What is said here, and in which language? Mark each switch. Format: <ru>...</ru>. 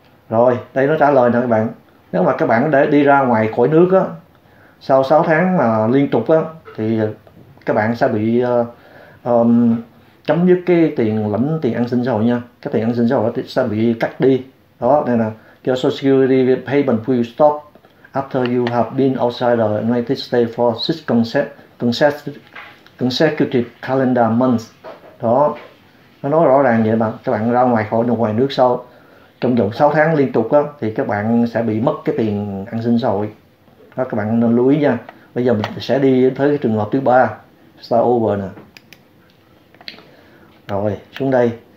<vi>Rồi, đây nó trả lời nè các bạn. Nếu mà các bạn để đi ra ngoài khỏi nước á, sau 6 tháng mà liên tục á, thì các bạn sẽ bị chấm dứt cái tiền lãnh tiền an sinh xã hội nha. Cái tiền an sinh xã hội sẽ bị cắt đi. Đó, đây nè.</vi> <en>Your Social Security payment will stop after you have been outside the United States for 6 consecutive calendar months.</en> <vi>Đó. Nó nói rõ ràng vậy mà. Các bạn ra ngoài khỏi ngoài nước sau trong vòng 6 tháng liên tục đó, thì các bạn sẽ bị mất cái tiền an sinh xã hội. Đó, các bạn nên lưu ý nha. Bây giờ mình sẽ đi tới cái trường hợp thứ ba.</vi> <en>Start over</en> <vi>nè. Rồi, xuống đây.</vi>